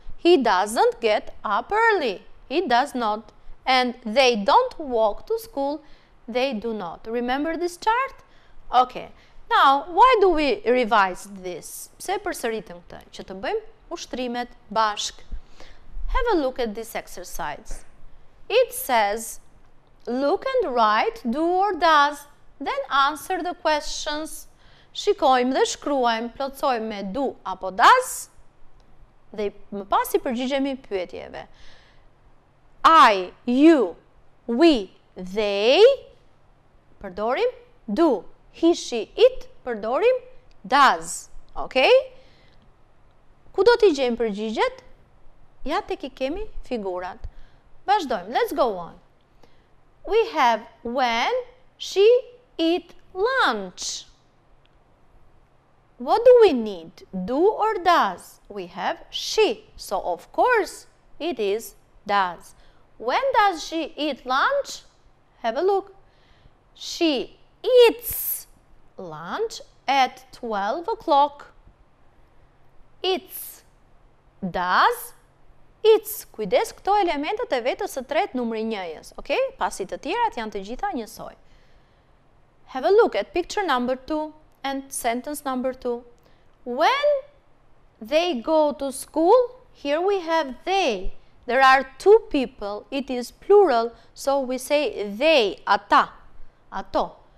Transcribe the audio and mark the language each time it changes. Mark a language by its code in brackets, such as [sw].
[en] He doesn't get up early. He does not. And they don't walk to school. They do not. Remember this chart? Okay. Now, why do we revise this? [sq] Pse përsëritim këtë? Që të bëjmë ushtrimet bashk. [en] Have a look at this exercise. It says, look and write, do or does, then answer the questions. [sq] Shikojmë dhe shkruajmë, plotësojmë me do apo does, dhe më pas I përgjigjemi pyetjeve. I, you, we, they, përdorim, do, he, she, it, përdorim, does. Okay? Ku do t'i gjejmë përgjigjet? Ja tek I kemi figurat. Vazhdojmë. [en] Let's go on. We have when she eat lunch. What do we need? Do or does? We have she. So of course it is does. When does she eat lunch? Have a look. She eats lunch at 12 o'clock. It's does. [sq] It's, kujdes këto elementet e vetës së tretë numri njëjës, ok? Pasi të tjerat janë të gjitha njësoj. [en] Have a look at picture number 2 and sentence number 2. When they go to school, here we have they. There are two people, it is plural, so we say they, [sq] ata, ato.